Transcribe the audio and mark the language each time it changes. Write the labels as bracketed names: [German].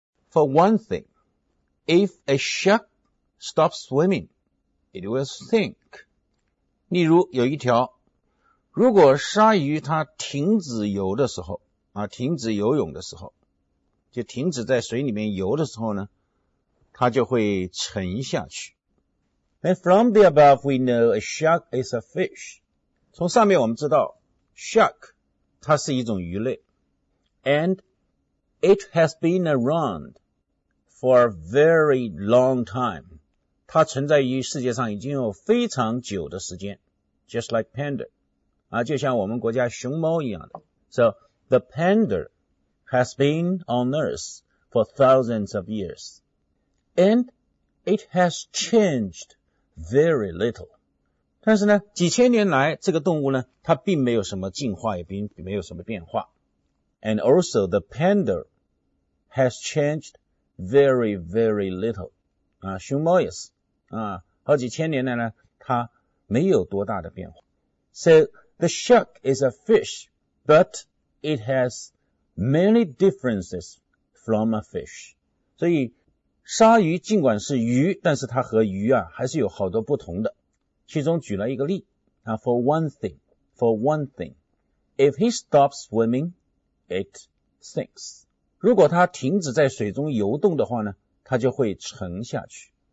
[English] For one thing, if a sharkStop swimming, it will sink. [Chinese] 例如有一条，如果鲨鱼它停止游的时候，停止游泳的时候，就停止在水里面游的时候呢，它就会沉下去。 [English] And from the above, we know a shark is a fish. [Chinese] 从上面我们知道 ,shark, 它是一种鱼类。 [English] And it has been around for a very long time. [Chinese] 它存在于世界上已经有非常久的时间 , just like panda, 就像我们国家熊猫一样的。 [English] So, the panda has been on Earth for thousands of years, and it has changed very little. [Chinese] 但是呢几千年来这个动物呢它并没有什么进化也并没有什么变化。 [English] And also, the panda has changed very, very little. [Chinese] 熊猫也是。好几千年来呢它没有多大的变化。 [English] So, the shark is a fish, but it has many differences from a fish. [Chinese] 所以鲨鱼尽管是鱼但是它和鱼啊还是有好多不同的。 [English] 其中举了一个例 for one thing, if he stops swimming, it sinks. [Chinese] 如果它停止在水中游动的话呢它就会沉下去。